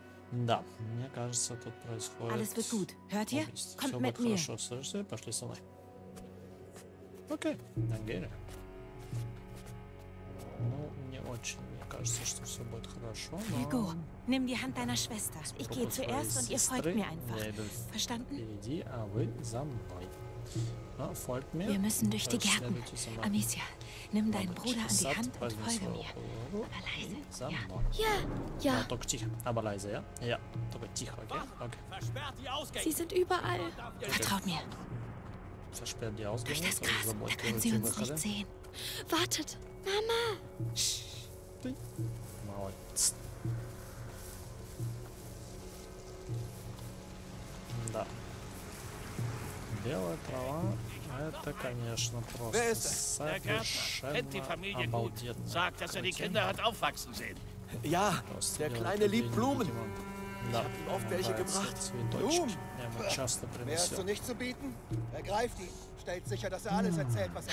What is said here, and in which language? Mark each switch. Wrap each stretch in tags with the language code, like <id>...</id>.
<ru>Да, мне кажется, тут происходит.</ru> <de>Alles wird gut. Hört ihr?</de> <ru>Все будет хорошо. Слышите? Пошли со мной. Окей, Ангеля. Ну, мне очень, мне кажется, что все будет хорошо.</ru> <de>Hugo, nimm die Hand deiner Schwester. Ich gehe zuerst und ihr folgt mir einfach. Verstanden?</de> <ru>Впереди, а вы за мной.</ru> <de>Na, folgt mir. Wir müssen durch die Gärten. Amicia, nimm deinen Bruder an die Hand und folge mir. Aber leise. Ja. Ja. Aber leise, ja? Ja. Aber tief, okay? Okay. Sie sind überall. Vertraut mir. Versperrt die Ausgänge. Durch das Gras. Da können sie uns nicht sehen. Wartet. Mama. Sch. Da.</de> <ru>Белая трава, это, конечно, просто совершенно обалденно.</ru> <de>Ja, der kleine liebt Blumen.</de> <ru>Да,</ru> <de>ich habe oft welche gebracht. Blumen. Mehr hast du nicht zu bieten? Ergreift ihn, stellt sicher, dass alles erzählt, was</de>